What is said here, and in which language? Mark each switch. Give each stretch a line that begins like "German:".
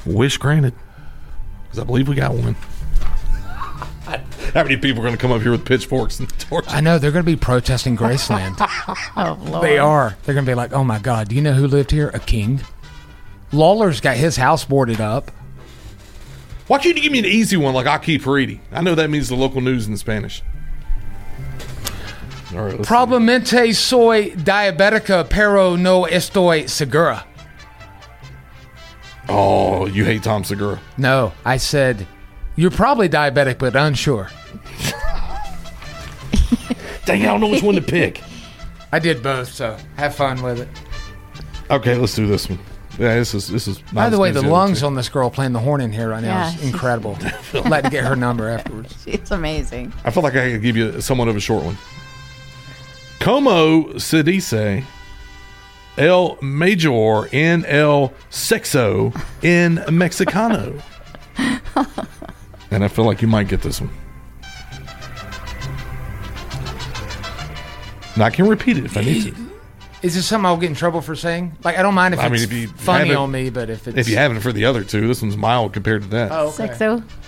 English: Wish granted, because I believe we got one. How many people are going to come up here with pitchforks and torches? I know, they're going to be protesting Graceland. Oh, Lord. They are. They're going to be like, oh, my God, do you know who lived here? A king. Lawler's got his house boarded up. Why can't you give me an easy one like Aki Faridi? I know that means the local news in Spanish. All right,
Spanish: Probablemente soy diabética, pero no estoy segura.
English: Oh, you hate Tom Segura. No, I said, you're probably diabetic, but unsure. Dang, I don't know which one to pick. I did both, so have fun with it. Okay, let's do this one. Yeah, this is. By the way, the lungs on this girl playing the horn in here right now is incredible. Glad to get her number afterwards. It's amazing. I feel like I could give you somewhat of a short one.
Spanish: Como se dice el mayor en el sexo en Mexicano?
English: And I feel like you might get this one. Now I can repeat it if I need to. Is this something I'll get in trouble for saying? Like, I don't mind if it's funny on me, but if it's... If you haven't for the other two, this one's mild compared to that. Oh, okay.
Spanish: Sexo.